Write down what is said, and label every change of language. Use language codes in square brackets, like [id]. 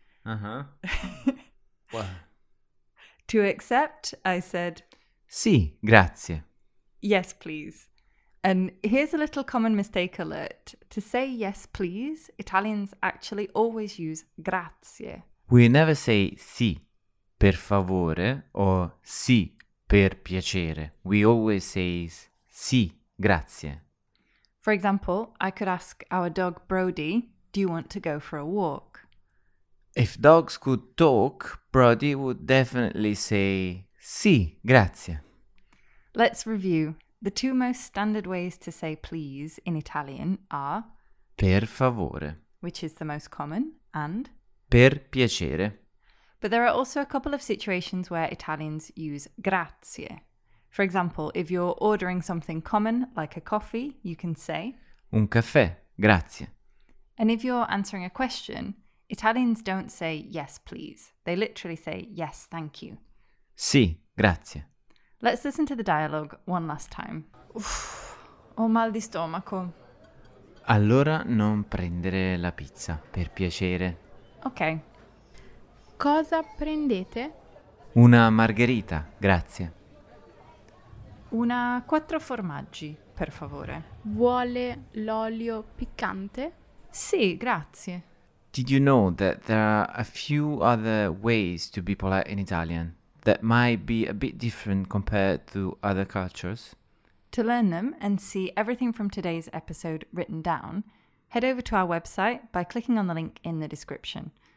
[en] Uh-huh. What? To accept, I said... [it] Sì, grazie. [en] Yes, please. And here's a little common mistake alert. To say yes, please, Italians actually always use grazie. We never say [it] sì, per favore, [en] or [it] sì, per piacere. [en] We always say [it] sì, grazie. [en] For example, I could ask our dog Brody, do you want to go for a walk? If dogs could talk, Brody would definitely say [it] sì, grazie. [en] Let's review. The two most standard ways to say please in Italian are [it] per favore, [en] which is the most common, and [it] per piacere. [en] But there are also a couple of situations where Italians use grazie. For example, if you're ordering something common, like a coffee, you can say [it] un caffè, grazie. [en] And if you're answering a question, Italians don't say yes, please. They literally say yes, thank you. [it] Sì, grazie. [en] Let's listen to the dialogue one last time. [it] Uff, ho mal di stomaco. Allora non prendere la pizza, per piacere. Ok. Cosa prendete? Una margherita, grazie. Una quattro formaggi, per favore. Vuole l'olio piccante? Sì, grazie. [en] Did you know that there are a few other ways to be polite in Italian? That might be a bit different compared to other cultures. To learn them and see everything from today's episode written down, head over to our website by clicking on the link in the description.